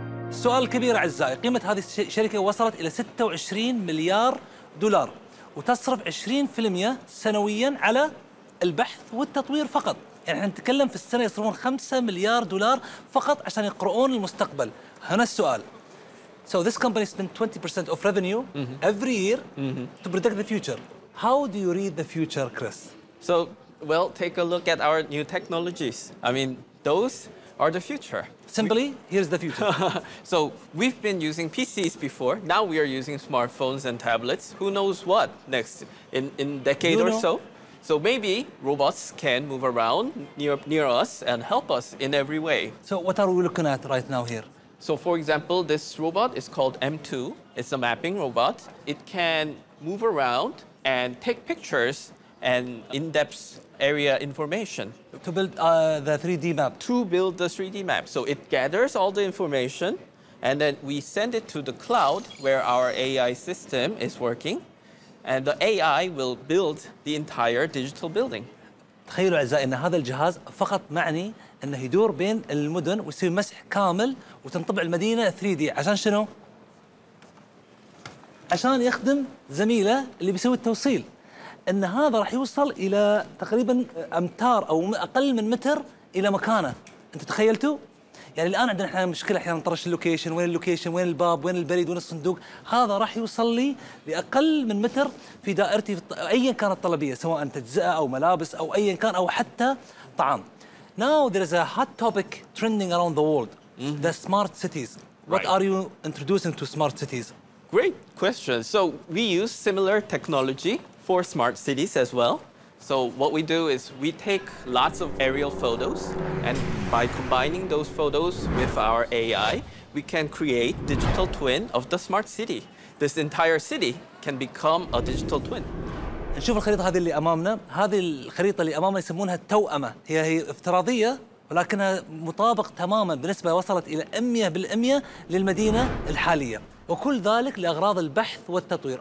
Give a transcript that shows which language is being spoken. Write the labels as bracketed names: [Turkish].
[Arabic] سؤال كبير أعزائي، قيمة هذه الشركة وصلت إلى 26 مليار دولار وتصرف 20% سنوياً على البحث والتطوير فقط. يعني احنا نتكلم في السنة يصرفون 5 مليار دولار فقط عشان يقرؤون المستقبل. هنا السؤال. [English] So this company spent 20% of revenue every year to predict the future. How do you read the future, Chris? So, well, take a look at our new technologies. I mean, those are the future. Simply, here's the future. So we've been using PCs before. Now we are using smartphones and tablets. Who knows what next in decade or so? So maybe robots can move around near us and help us in every way. So what are we looking at right now here? So for example, this robot is called M2. It's a mapping robot. It can move around and take pictures and in-depth area information. To build the 3D map? To build the 3D map. So it gathers all the information and then we send it to the cloud where our AI system is working. And the AI will build the entire digital building. [Arabic] تخيلوا أعزائي أن هذا الجهاز فقط معني أنه يدور بين المدن ويسوي مسح كامل وتنطبع المدينة 3D. عشان شنو؟ عشان يخدم زميلة اللي بيسوي التوصيل. أن هذا راح يوصل إلى تقريبا أمتار أو أقل من متر إلى مكانه. أنتوا تخيلتوا؟ يعني الآن عندنا إحنا مشكلة أحيانا نطرش اللوكيشن، وين اللوكيشن، وين الباب، وين البريد، وين الصندوق. هذا راح يوصل لي لأقل من متر في دائرتي أيا كانت الطلبية، سواء تجزئة أو ملابس أو أيا كان أو حتى طعام. [English] Now there is a hot topic trending around the world, the smart cities. What right. are you introducing to smart cities? Great question. So we use similar technology for smart cities as well. So what we do is we take lots of aerial photos, and by combining those photos with our AI, we can create digital twin of the smart city. This entire city can become a digital twin. [Arabic] نشوف الخريطة هذه اللي أمامنا. هذه الخريطة اللي أمامنا يسمونها التوأمة. هي افتراضية ولكنها مطابق تماماً بنسبة وصلت إلى 100% للمدينة الحالية. وكل ذلك لأغراض البحث والتطوير.